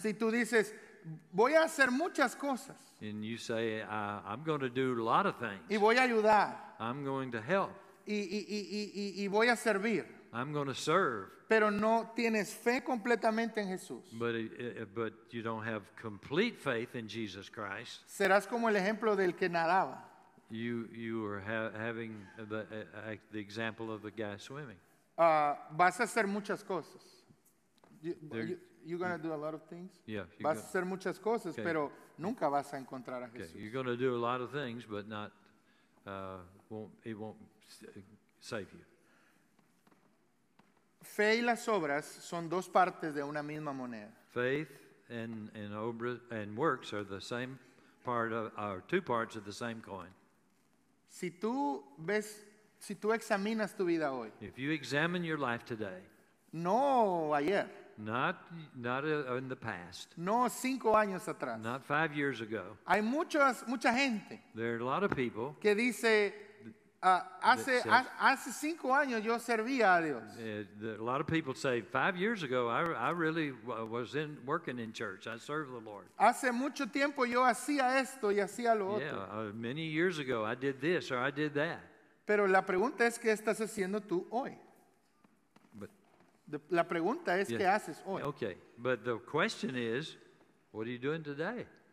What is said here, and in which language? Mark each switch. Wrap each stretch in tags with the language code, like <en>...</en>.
<es>Si tú dices, voy a hacer muchas cosas.</es> <en>And you say, I'm going to do a lot of things.</en> <es>Y voy a ayudar.</es> <en>I'm going to help.</en> <es>Y voy a servir.</es> <en>I'm going to serve.</en> <es>Pero no tienes fe completamente en Jesús.</es> <en>But you don't have complete faith in Jesus Christ.</en> <es>Serás como el ejemplo del que nadaba.</es> <en>You are having the example of the guy swimming.</en> <es>Vas a hacer muchas cosas.</es> <en>You're going to do a lot of things. Yeah.</en> <es>Vas a hacer muchas cosas, pero nunca vas a encontrar a Jesús.</es> <en>You're going to do a lot of things, but not won't save you.</en> <es>Fe y las obras son dos partes de una misma moneda.</es> <en>Faith and works are the same part of, are two parts of the same coin.</en> <es>Si tú ves, si tú examinas tu vida hoy.</es> <en>If you examine your life today.</en> <es>No ayer.</es> <en>Not in the past.</en> <es>No 5 años atrás.</es> <en>Not 5 years ago.</en> <es>Hay muchas, mucha gente.</es> <en>There are a lot of people.</en> <es>Que dice, hace 5 años yo servía a Dios.</es> <en>A lot of people say, 5 years ago, I really was in working in church. I served the Lord.</en> <es>Hace mucho tiempo yo hacía esto y hacía lo otro.</es> <en>Many years ago, I did this or I did that.</en> <es>Pero la pregunta es, ¿qué estás haciendo tú hoy? La pregunta es, ¿qué haces hoy?</es> <en>Okay, but the question is, what are you doing today?</en>